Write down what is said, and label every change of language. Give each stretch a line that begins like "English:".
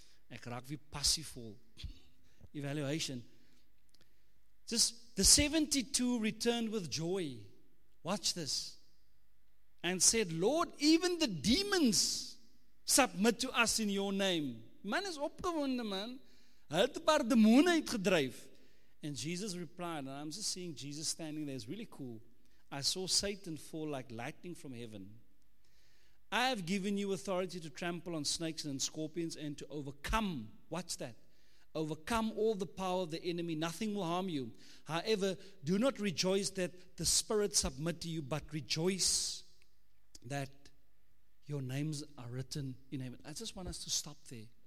Afrikaans: Ek raak weer passievol.
English: Evaluation. Just the 72 returned with joy. Watch this. And said, Lord, even the demons submit to us in your name.
Afrikaans: Man is opgewonde, man. Hy het 'n paar demone uitgedryf.
English: And Jesus replied, and I'm just seeing Jesus standing there. It's really cool. I saw Satan fall like lightning from heaven. I have given you authority to trample on snakes and scorpions and to overcome. Watch that. Overcome all the power of the enemy. Nothing will harm you. However, do not rejoice that the spirits submit to you, but rejoice that your names are written in heaven. I just want us to stop there.